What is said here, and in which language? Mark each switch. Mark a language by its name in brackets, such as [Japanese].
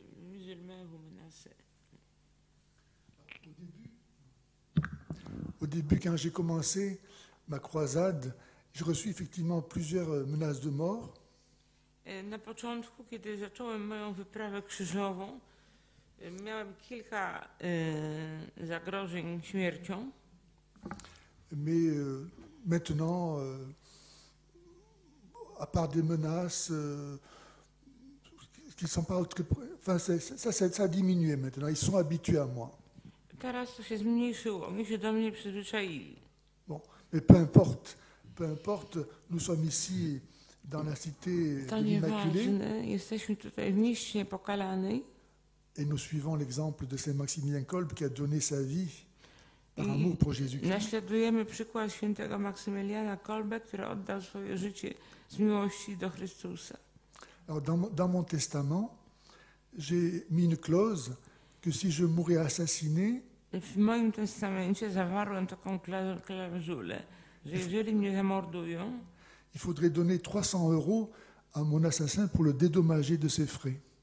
[French] musulmans vous menacent. Au début, quand j'ai commencé ma croisade, j'ai reçu effectivement plusieurs menaces de mort. [Polish] Na początku, kiedy zacząłem moją wyprawę krzyżową, miałem kilka zagrożeń śmiercią. [French] Mais maintenant, à part des menaces, qu'ils s'en parlent, enfin, ça a diminué maintenant, ils sont habitués à moi. [Polish] Teraz to się zmniejszyło, oni się do mnie przyzwyczaili. [French] Bon, mais peu importe, nous sommes ici dans la cité to de l'Immaculée. [Polish] Jesteśmy tutaj w mieście pokalanej. [French] Et nous suivons l'exemple de Saint Maximilien Kolb qui a donné sa vie par amour pour Jésus-Christ. [Polish] Naśladujemy przykład świętego Maksymiliana Kolbe, który oddał swoje życie z miłości do Chrystusa. [French] Alors, dans mon testament, j'ai mis une clause que si je mourais assassiné, [Polish] w moim testamencie zawarłem taką klauzulę, że jeżeli mnie zamordują, [French] il faudrait donner 300 euros à mon assassin pour le dédommager de ses frais.